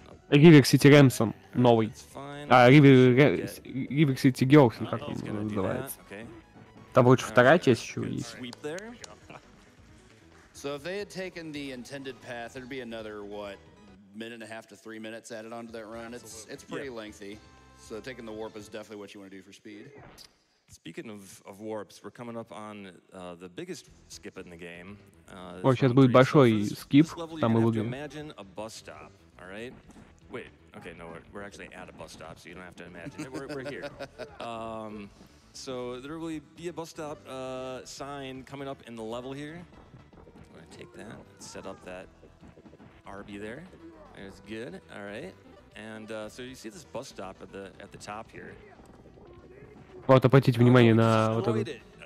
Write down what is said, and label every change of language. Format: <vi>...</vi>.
<ru>Ривер Сити Рэмсон, новый. Rivik City Girls, или как он называется. Там лучше вторая часть еще есть.</ru> <en>So if they had taken the intended path, there'd be another, what, minute and a half to 3 minutes added onto that run. It's pretty lengthy. So taking the warp is definitely what you want to do for speed. Speaking of warps, we're coming up on the biggest skip in the game.</en> <ru>Ой, сейчас будет большой скип, там мы будем.</ru> <en>Imagine a bus stop, all right? Wait, okay, no, we're actually at a bus stop, so you don't have to imagine it. We're here. So there will be a bus stop sign coming up in the level here. I'm going to take that, set up that RB there. That's good, all right. And so you see this bus stop at the top here.</en> <ru>Вот, обратите внимание на вот это.</ru>